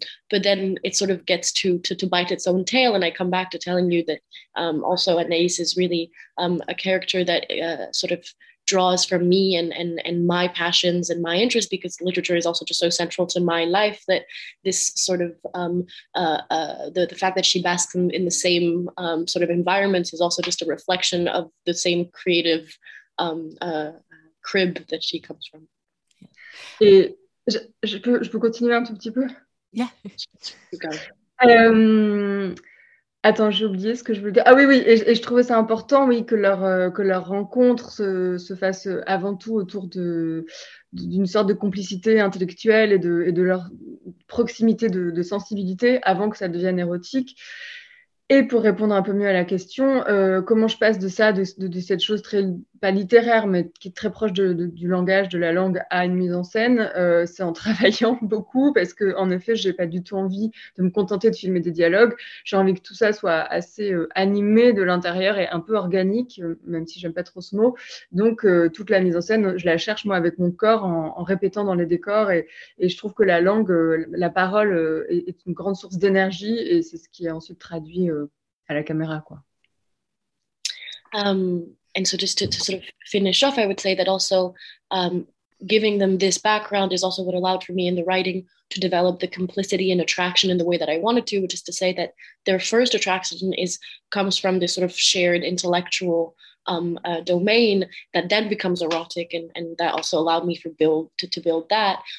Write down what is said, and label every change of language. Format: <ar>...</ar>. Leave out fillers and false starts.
<en>but then it sort of gets to bite its own tail. And I come back to telling you that also Anaïs is really a character that sort of draws from me and my passions and my interests, because literature is also just so central to my life, that this sort of the fact that she basks in the same sort of environments is also just a reflection of the same creative crib that she comes from.</en> <fr>Et je peux continuer un tout petit peu?</fr> <en>Yeah.</en> <fr>Attends, j'ai oublié ce que je voulais dire. Ah oui, et je trouvais ça important, oui, que leur rencontre se fasse avant tout autour d'une sorte de complicité intellectuelle et de leur proximité de sensibilité avant que ça devienne érotique. Et pour répondre un peu mieux à la question, comment je passe de ça, de cette chose très, pas littéraire, mais qui est très proche du langage, de la langue, à une mise en scène, c'est en travaillant beaucoup, parce que en effet, j'ai pas du tout envie de me contenter de filmer des dialogues. J'ai envie que tout ça soit assez animé de l'intérieur et un peu organique, même si j'aime pas trop ce mot. Donc, toute la mise en scène, je la cherche, moi, avec mon corps, en répétant dans les décors. Et je trouve que la langue, la parole, est une grande source d'énergie, et c'est ce qui est ensuite traduit à la caméra, quoi.</fr> <en>And so just to sort of finish off, I would say that also giving them this background is also what allowed for me in the writing to develop the complicity and attraction in the way that I wanted to, which is to say that their first attraction comes from this sort of shared intellectual domain that then becomes erotic, and that also allowed me to build that.</en>